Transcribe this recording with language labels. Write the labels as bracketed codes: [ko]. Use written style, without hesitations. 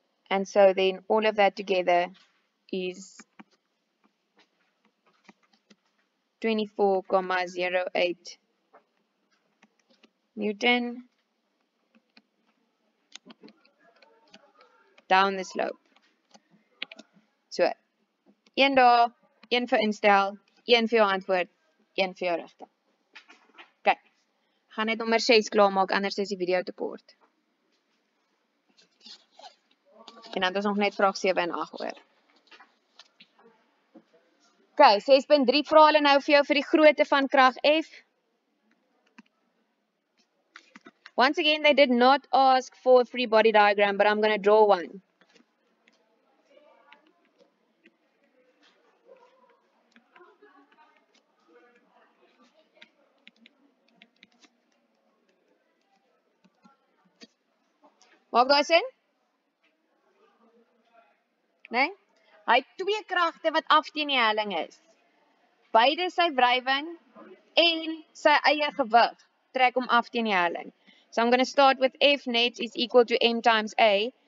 [en] And so then all of that together is 24,08 newton down the slope. [af] So, een daar, een vir instel, een vir jou antwoord, een vir jou rigting. Kyk, gaan net nommer 6 klaar maak, anders is die video te kort. En dan is nog net vraag 7 en 8 oor. Okay, 6.3 vra hulle nou vir jou vir die grootte van krag F. [en] Once again, they did not ask for a free body diagram, but I'm going to draw one. [af] Mag daar sien? Nee? Hy het twee kragte wat af teen die helling is. Beide sy wrywing en sy eie gewig trek hom af teen die helling. [en] So I'm going to start with F net is equal to M times A.